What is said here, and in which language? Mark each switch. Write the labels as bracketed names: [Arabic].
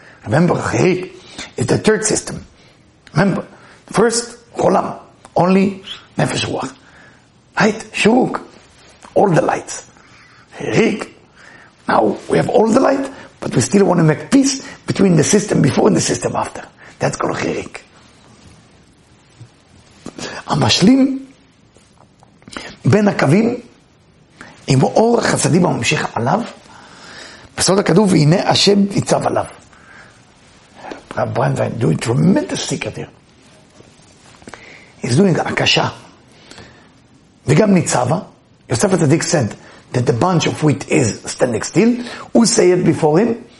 [English] Remember, חיריק is the third system. Remember, first, חולם, only נפש רוח. Light, שורוק, all the lights. חיריק, now we have all the light, but we still want to make peace between the system before and the system after. That's called חיריק. [Hebrew] המשלים בין הקווים עם אור החסדים הממשיך עליו בסוד הכתוב והנה השם ניצב עליו. [English] רב ברנדווין doing tremendous secret here. He's doing הקשה [Hebrew] וגם ניצבה. [English] יוסף הצדיק said that the bunch of wheat is standing still. [Hebrew] הוא [English] say it before him